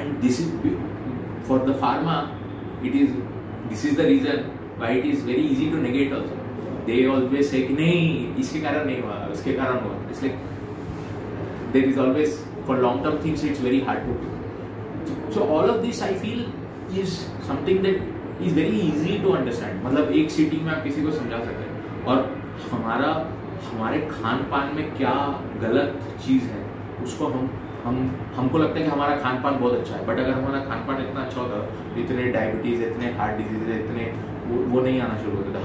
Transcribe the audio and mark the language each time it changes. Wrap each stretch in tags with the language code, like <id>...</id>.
<en>and this is for the pharma, it is this is the reason why it is very easy to negate also, they always say</en> <hi>कि नहीं इसके कारण नहीं हुआ, इसके कारण हुआ, इसलिए</hi> <en>There is always for long term things it's very hard to do. So all of this I feel is something that is very easy to understand.</en> <hi>मतलब एक सीटिंग में आप किसी को समझा सकते हैं। और हमारा हमारे खान पान में क्या गलत चीज़ है उसको हमको लगता है कि हमारा खान पान बहुत अच्छा है, बट अगर हमारा खान पान इतना अच्छा होता इतने डायबिटीज़ इतने हार्ट डिजीज इतने वो नहीं आना शुरू होता।</hi>